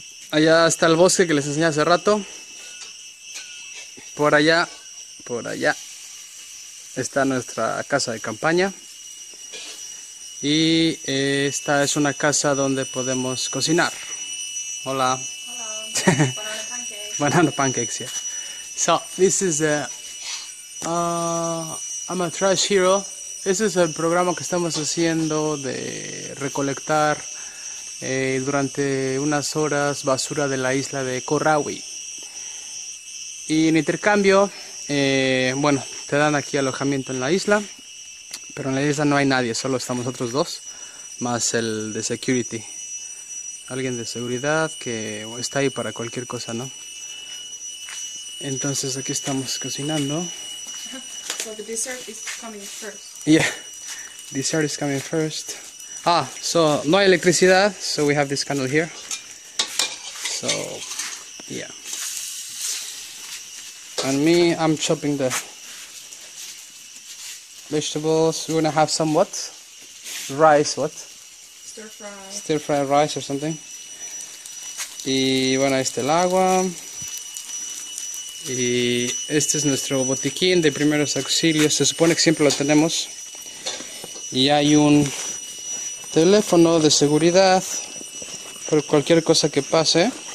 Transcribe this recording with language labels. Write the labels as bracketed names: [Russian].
[Spanish] Allá está el bosque que les enseñé hace rato. Por allá, está nuestra casa de campaña. Y esta es una casa donde podemos cocinar. Hola. [English] Hola, banana pancakes. Banana pancakes, yeah. So, this is I'm a trash hero. [Spanish] Ese es el programa que estamos haciendo de recolectar durante unas horas basura de la isla de Corawi. Y en intercambio, bueno, te dan aquí alojamiento en la isla, pero en la isla no hay nadie, solo estamos nosotros dos, más el de [English] security. [Spanish] Alguien de seguridad que está ahí para cualquier cosa, ¿no? Entonces aquí estamos cocinando. [English] So the dessert is coming first. Yeah, dessert is coming first. Ah, so [Spanish] no hay electricidad, [English] so we have this candle here. So, yeah. And me, I'm chopping the vegetables. We're gonna have some what? Rice, what? Stir fry. Stir fry rice or something. [Spanish] Y bueno, este el agua. Y este es nuestro botiquín de primeros auxilios. Se supone que siempre lo tenemos. Y hay un teléfono de seguridad por cualquier cosa que pase.